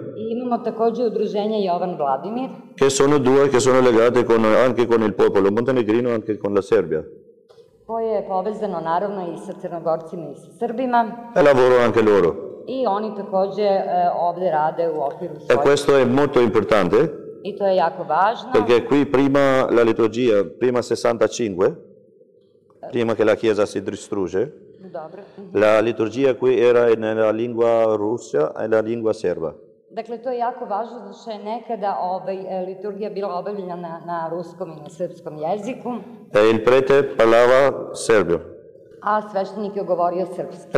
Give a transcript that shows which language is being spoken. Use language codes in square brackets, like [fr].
[sr] I imamo takođe udruženje Jovan Vladimir. [it] Che sono due che sono legate anche con il popolo montenegrino, anche con la Serbia. [sr] Koje je povezano, naravno, i sa Crnogorcima i sa Srbima. [it] E lavoro anche loro. [sr] I oni takođe ovde rade u okviru svoje... [it] E questo è molto importante. [sr] I to je jako važno. [it] Perché qui prima la liturgia, prima 65, prima che la chiesa si distrugge, la liturgia qui era nella lingua russa e la lingua serba. [sr] Dakle, to je jako važno, zato što je nekada liturgija bila obavljena na ruskom i na srpskom jeziku. [it] E il prete parlava serbio. [sr] A sveštenik je govorio srpski.